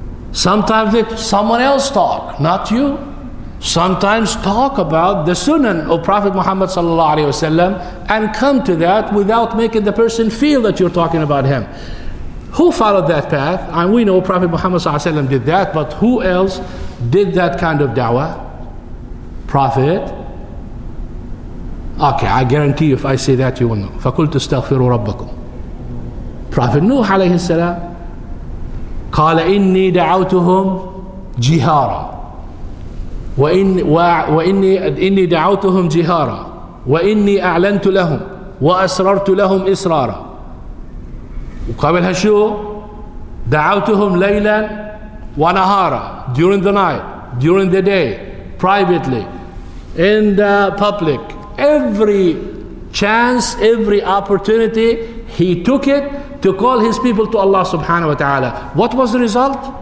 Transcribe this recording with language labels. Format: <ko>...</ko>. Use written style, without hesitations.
<en>Sometimes let someone else talk, not you. Sometimes talk about the sunan of Prophet Muhammad sallallahu alaihi wasallam and come to that without making the person feel that you're talking about him. Who followed that path? And we know Prophet Muhammad sallallahu alaihi wasallam did that, but who else did that kind of da'wah? Prophet? Okay, I guarantee you if I say that you will know.</en> <ar>فَقُلْتُ اسْتَغْفِرُوا رَبَّكُمْ. Prophet Nuh alayhi salam, قَالَ إِنِّي دَعَوْتُهُمْ جِهَارًا وَإِنِّي دَعَوْتُهُمْ جِهَارًا وَإِنِّي أَعْلَنْتُ لَهُمْ وَأَسْرَرْتُ لَهُمْ إِسْرَارًا. وقبلها شو؟ دعوتهم ليلا ونهارا,</ar> <en>during the night, during the day, privately, in the public. Every chance, every opportunity, he took it to call his people to Allah subhanahu wa ta'ala. What was the result?</en>